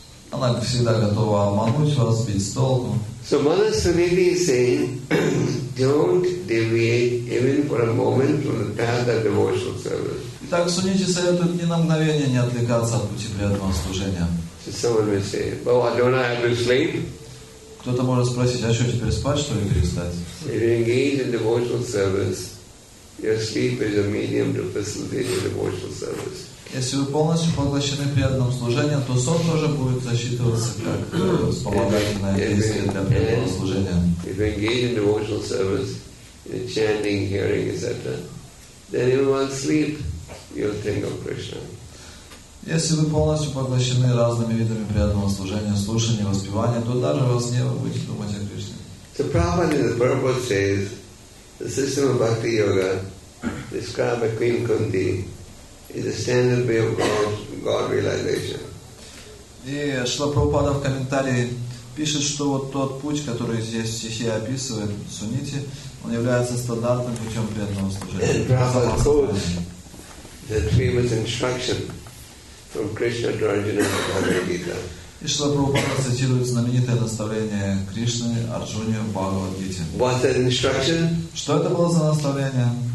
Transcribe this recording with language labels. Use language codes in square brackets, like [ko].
[ru] Она всегда готова обмануть вас, сбить с толку. [en] So Mother Suniti is saying, don't deviate even for a moment from the path of devotional service. [ru] Итак, Сунити советует ни на мгновение не отвлекаться от пути преданного служения. [en] So someone may say, well, don't I have to sleep? [ru] Кто-то может спросить, а что теперь спать, что ли, перестать? [en] If you engage in devotional service, your sleep is a medium to facilitate devotional service. [ru] Если вы полностью поглощены преданным служением, то сон тоже будет засчитываться как вспомогательное действие для преданного служения. Если вы полностью поглощены разными видами преданного служения, слушания, воспевания, то даже во сне вы будете думать о Кришне. [en] So Prabhupada in the Purport says, the system of Bhakti Yoga described by Queen Kunti is the standard way of God realization. [ru] И Шрила Прабхупада в комментарии пишет, что вот тот путь, который здесь в стихе описывает Сунити, он является стандартным путем преданного служения. [en] And Prabhupada quotes the famous instruction from Krishna to Arjuna in Bhagavad Gita. [ru] И Шрила Прабхупада цитирует знаменитое наставление Кришны Арджуне в Бхагавад Гите. [en] What's that instruction? [ru] Что это было за наставление?